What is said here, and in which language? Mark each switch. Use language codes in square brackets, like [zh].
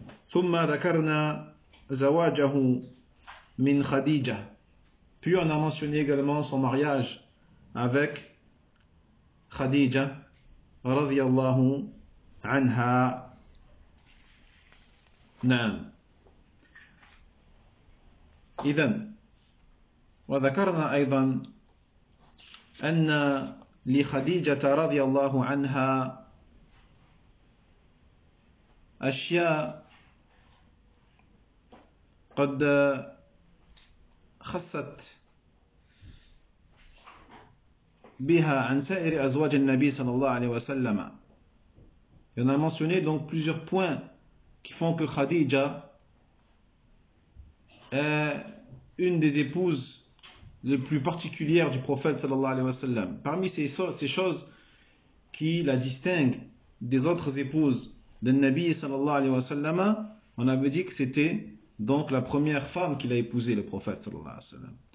[ar] ثم ذكرنا زواجه من خديجة. [fr] Puis on a mentionné également son mariage avec خديجة رضي الله عنها. [ar] نعم. إذن وذكرنا أيضا أن لخديجة رضي الله عنها أشياء قد خصت بها عن سائر أزواج النبي صلى الله عليه وسلم. [fr] Il en a mentionné donc plusieurs points qui font que Khadija est une des épouses les plus particulières du prophète صلى الله عليه وسلم. Parmi ces choses qui la distinguent des autres épouses le Nabi sallallahu alayhi wa sallam, on avait dit que c'était donc la première femme qu'il a épousée, le prophète sallallahu alayhi wa sallam.